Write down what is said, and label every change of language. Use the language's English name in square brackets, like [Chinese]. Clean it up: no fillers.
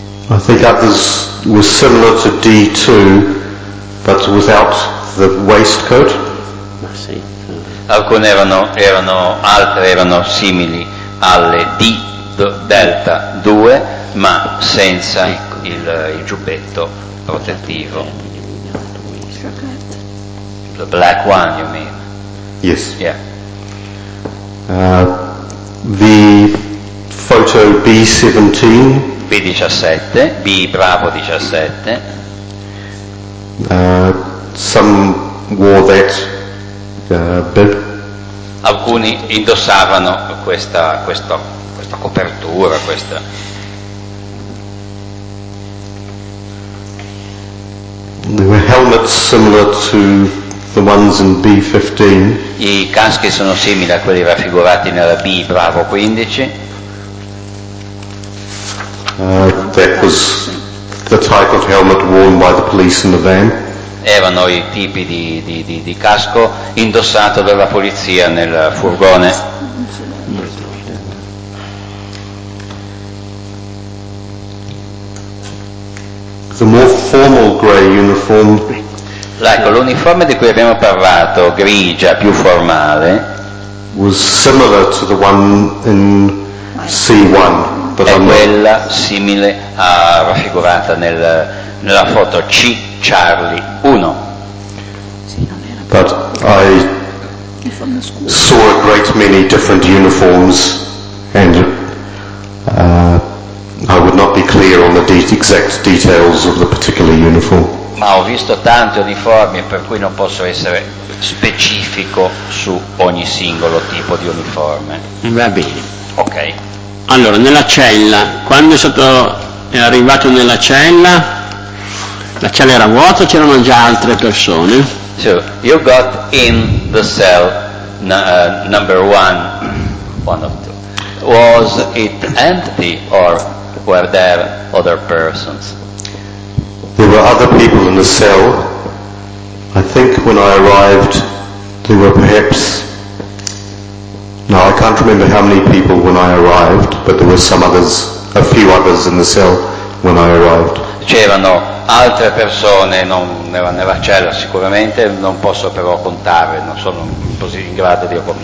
[English] I think others were similar to D2, but without the waistcoat. [Italian] Alcune erano altre erano simili alle D delta 2, ma senza il giubbetto protettivo. [English] The black one, you mean? Yes. Yeah. The photo B17. B17, B bravo 17. Some wore that bib. [Italian] Alcuni indossavano questa copertura, questa. [English] There were helmets similar to the ones in B15. [Italian] I caschi sono simili a quelli raffigurati nella B bravo 15. [English] That was the type of helmet worn by the police in the van. [Italian] Erano i tipi di casco indossato dalla polizia nel furgone. [English] The more formal grey uniform. [Italian] Ecco, l'uniforme di cui abbiamo parlato, grigia, più formale, [English] was similar to the one in C1. [Italian] È quella simile a raffigurata nella foto C Charlie 1. [English] But I saw a great many different uniforms and I would not be clear on the exact details of the particular uniform. [Italian] Ma ho visto tante uniformi, per cui non posso essere specifico su ogni singolo tipo di uniforme. Va bene. Ok. Allora, nella cella, quando è arrivato nella cella, la cella era vuota o c'erano già altre persone? [English] So, you got in the cell number one of two. Was it empty or were there other persons? There were other people in the cell. I think when I arrived, there were perhaps... No, I can't remember how many people when I arrived, but there were some others, a few others in the cell when I arrived. [Italian] C'erano altre persone nella cella sicuramente, non posso però contare, non sono così in grado di contare.